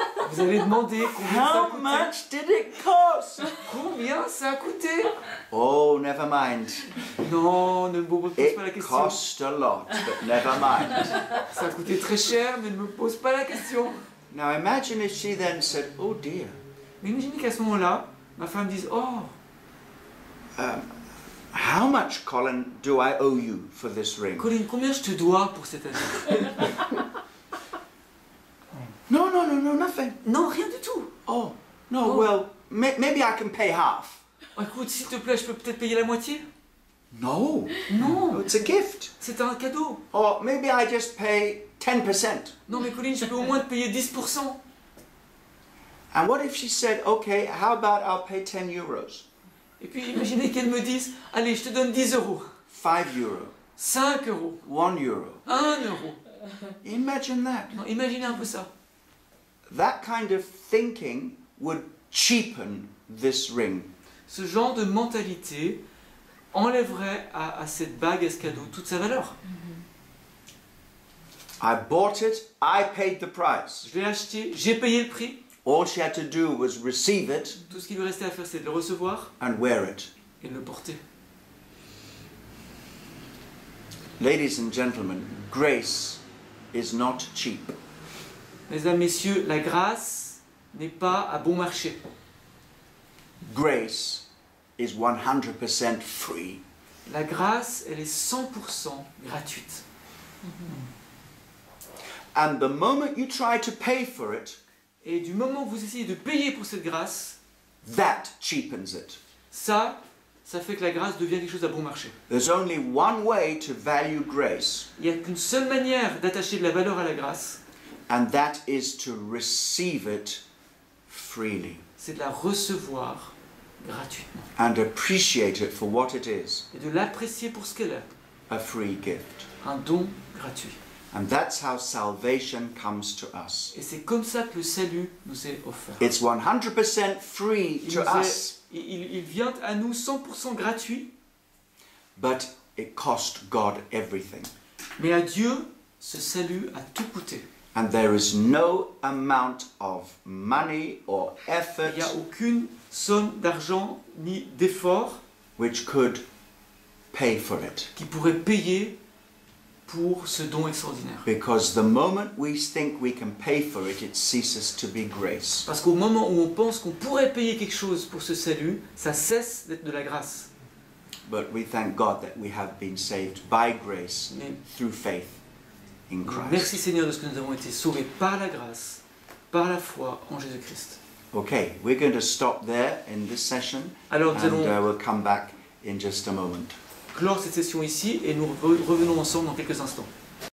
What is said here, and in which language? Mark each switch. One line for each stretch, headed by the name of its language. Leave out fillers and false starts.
French: Vous avez demandé combien ça coûtait.
English: How much did it cost?
French: Combien ça a coûté?
English: Oh, never mind.
French: Non, ne me pose
English: it
French: pas la question.
English: It cost a lot, but never mind.
French: Ça a coûté très cher, mais ne me pose pas la question.
English: Now imagine if she then said, oh dear.
French: Mais imaginez qu'à ce moment-là, ma femme dise, oh.
English: How much, Colin, do I owe you for this ring?
French: Colin, combien je te dois pour cette année?
English: No, nothing.
French: Non, rien du tout.
English: Oh, no, oh. Well, maybe I can pay half.
French: Écoute, s'il te plaît, je peux peut-être payer la moitié?
English: No.
French: Non.
English: Oh, it's a gift.
French: C'est un cadeau.
English: Or maybe I just pay 10%.
French: Non, mais Colin, je peux au moins te payer 10%.
English: And what if she said, okay, how about I'll pay 10 euros?
French: Et puis imaginez qu'elle me dise, allez, je te donne 10 euros.
English: 5 euros.
French: 5 euros.
English: 1 euro.
French: 1 euro.
English: Imagine that.
French: Non, imaginez un peu ça.
English: That kind of thinking would cheapen this ring.
French: Ce genre de mentalité enlèverait à cette bague, à ce cadeau, toute sa valeur.
English: I bought it, I paid the price.
French: Je l'ai acheté, j'ai payé le prix.
English: All she had to do was receive it.
French: Tout ce qu'il lui restait à faire, c'est de le recevoir.
English: And wear it.
French: Et de le porter.
English: Ladies and gentlemen, grace is not cheap.
French: Mesdames, messieurs, la grâce n'est pas à bon marché.
English: Grace is 100% free.
French: La grâce, elle est 100% gratuite.
English: And the moment you try to pay for it,
French: et du moment où vous essayez de payer pour cette grâce,
English: that cheapens it.
French: Ça fait que la grâce devient quelque chose à bon marché.
English: There's only one way to value grace.
French: Il n'y a qu'une seule manière d'attacher de la valeur à la grâce.
English: And that is to receive it freely.
French: C'est de la recevoir gratuitement.
English: And appreciate it for what it is.
French: Et de l'apprécier pour ce qu'elle est.
English: A free gift.
French: Un don gratuit.
English: And that's how salvation comes to us.
French: Et c'est comme ça que le salut nous est offert.
English: It's 100% free to us.
French: Il vient à nous 100% gratuit.
English: But it cost God everything.
French: Mais à Dieu, ce salut a tout coûté.
English: And there is no amount of money or effort.
French: Il n'y a aucune somme d'argent ni d'effort
English: which could pay for it.
French: Qui pourrait payer pour ce don extraordinaire.
English: Because the moment we think we can pay for it, it ceases to be grace.
French: Parce qu'au moment où on pense qu'on pourrait payer quelque chose pour ce salut, ça cesse d'être de la grâce.
English: But we thank God that we have been saved by grace through faith.
French: Merci Seigneur de ce que nous avons été sauvés par la grâce, par la foi en Jésus-Christ.
English: Okay, we're going to stop there in this session.
French: Alors,
English: and we'll come back in just a moment.
French: Clore cette session ici et nous revenons ensemble dans quelques instants.